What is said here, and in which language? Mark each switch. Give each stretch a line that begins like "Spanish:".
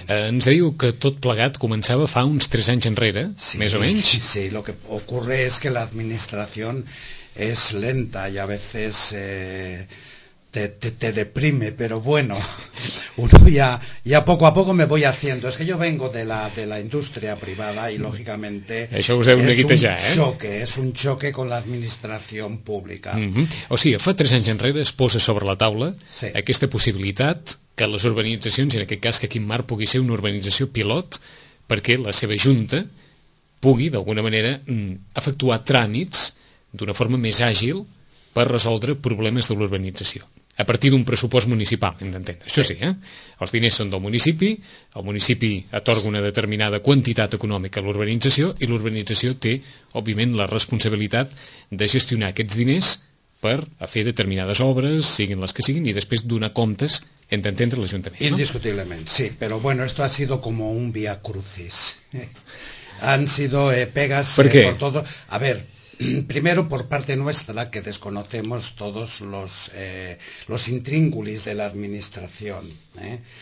Catalan: Ens diu que tot plegat començava fa uns 3 anys enrere, sí, més o menys.
Spanish: Sí, lo que ocurre es que la administración es lenta y a veces te deprime, pero bueno, uno ya poco a poco me voy haciendo. Es que yo vengo de la industria privada y lógicamente
Catalan: això us heu neguit ja,
Spanish: eh? és un choque con la administración pública.
Catalan: O sigui, fa 3 anys enrere es posa sobre la taula, sí, aquesta possibilitat que les urbanitzacions, en aquest cas que Quim Mar pugui ser una urbanització pilot, perquè la seva junta pugui d'alguna manera efectuar tràmits d'una forma més àgil per resoldre problemes de l'urbanització, a partir d'un pressupost municipal, hem d'entendre. Això sí, els diners són del municipi, el municipi atorga una determinada quantitat econòmica a l'urbanització i l'urbanització té, òbviament, la responsabilitat de gestionar aquests diners per a fer determinades obres, siguin les que siguin, i després donar comptes, hem d'entendre, l'Ajuntament. Indiscutiblement, sí, però
Spanish: bueno, esto ha sido como un via crucis. Han sido pegas por todo. A ver, primero por parte nuestra, que desconocemos todos los intríngulis de la administración, ¿eh?